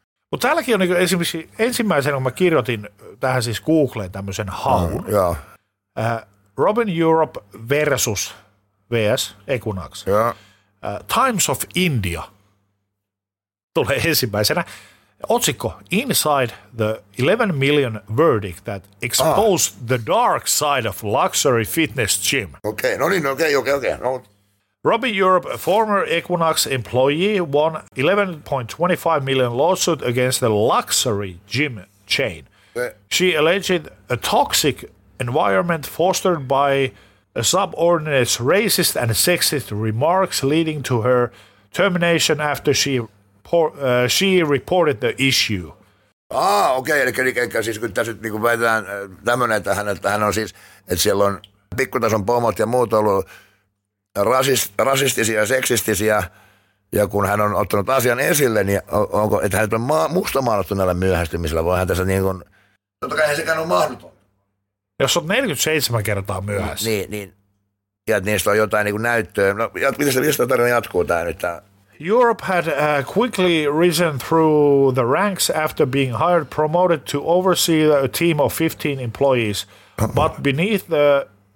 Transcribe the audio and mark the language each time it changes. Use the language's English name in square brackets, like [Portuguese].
[Finnish] Mutta täälläkin on esimerkiksi ensimmäisenä, kun mä kirjoitin tähän siis Googleen tämmöisen haun. Mm, joo. Robin Europe versus VS Equinox. Joo. Times of India tulee ensimmäisenä. Otsikko, [English] Inside the 11 million verdict that exposed the dark side of luxury fitness gym. Okei, okay, no niin, okei, okay, okei, okay, okei. Okay. No. Robin Europe, a former Equinox employee, won $11.25 million lawsuit against the luxury gym chain. She alleged a toxic environment fostered by a subordinate's racist and sexist remarks leading to her termination after she reported the issue. Ah, okei, okay. [Finnish] Eli siis kun tässä niin kuin väitetään tämmöinen, että hän on siis, että siellä on pikkutason pomot ja muut ollut rasistisia ja seksistisiä, ja kun hän on ottanut asian esille, niin onko, että hän on mustamaalattu näillä myöhästymisillä, voihan tässä niin kuin, totta kai hän sekään on mahdoton. Jos on 47 kertaa myöhässä. Niin, ja niistä on jotain niin kuin näyttöä. No, mistä tarina jatkuu tämä nyt? Tämä? [English] Europe had quickly risen through the ranks after being hired, promoted to oversee a team of 15 employees, but beneath the